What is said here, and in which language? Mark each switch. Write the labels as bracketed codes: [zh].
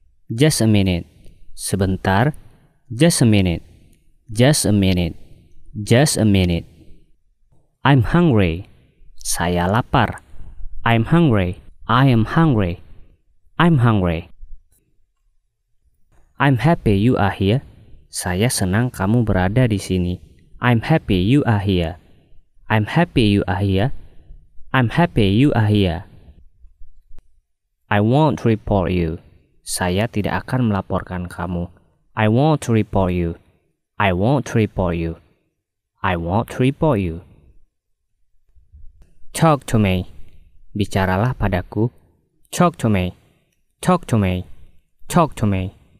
[en] Just a minute. [id] Sebentar. [en] Just a minute. Just a minute. Just a minute. I'm hungry. [id] Saya lapar. [en] I'm hungry. I am hungry. I'm hungry. I'm happy you are here. [id] Saya senang kamu berada di sini. [en] I'm happy you are here. I'm happy you are here. I'm happy you are here. I won't report you. [id] Saya tidak akan melaporkan kamu. [en] I won't report you. I won't report you. I won't report you. Talk to me. [id] Bicaralah padaku. [en] Talk to me. Talk to me. Talk to me.